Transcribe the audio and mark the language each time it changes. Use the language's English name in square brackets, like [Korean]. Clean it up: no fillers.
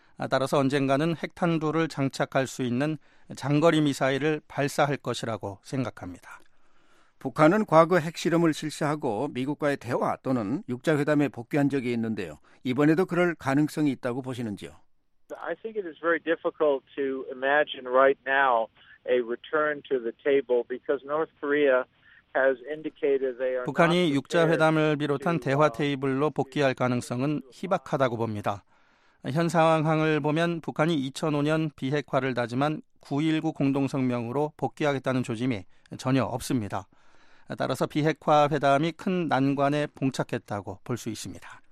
[Korean] 따라서 언젠가는 핵탄두를 장착할 수 있는 장거리 미사일을 발사할 것이라고 생각합니다. 북한은 과거 핵실험을 실시하고 미국과의 대화 또는 육자회담에 복귀한 적이 있는데요. 이번에도 그럴 가능성이 있다고 보시는지요? [English] I think it is very difficult to imagine right now a return to the table because North Korea has indicated they are [Korean] 북한이 육자회담을 비롯한 대화 테이블로 복귀할 가능성은 희박하다고 봅니다. 현 상황을 보면 북한이 2005년 비핵화를 다짐한 9.19 공동성명으로 복귀하겠다는 조짐이 전혀 없습니다. 따라서 비핵화 회담이 큰 난관에 봉착했다고 볼 수 있습니다.